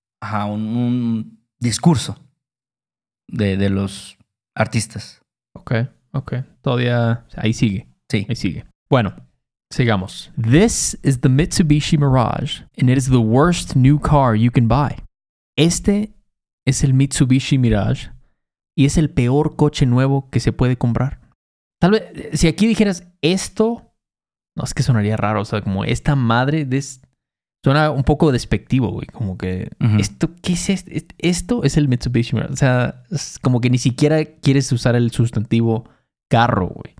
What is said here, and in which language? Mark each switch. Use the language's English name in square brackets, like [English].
[Spanish] Un discurso de los artistas. Ok, ok. Todavía... Ahí sigue. Sí. Ahí sigue. Bueno. Sigamos. [English] This is the Mitsubishi Mirage, and it is the worst new car you can buy. [Spanish] Este es el Mitsubishi Mirage, y es el peor coche nuevo que se puede comprar. Tal vez, si aquí dijeras esto, no, es que sonaría raro. O sea, como esta madre, suena un poco despectivo, güey. Como que, ¿esto qué es esto? Esto es el Mitsubishi Mirage. O sea, es como que ni siquiera quieres usar el sustantivo carro, güey.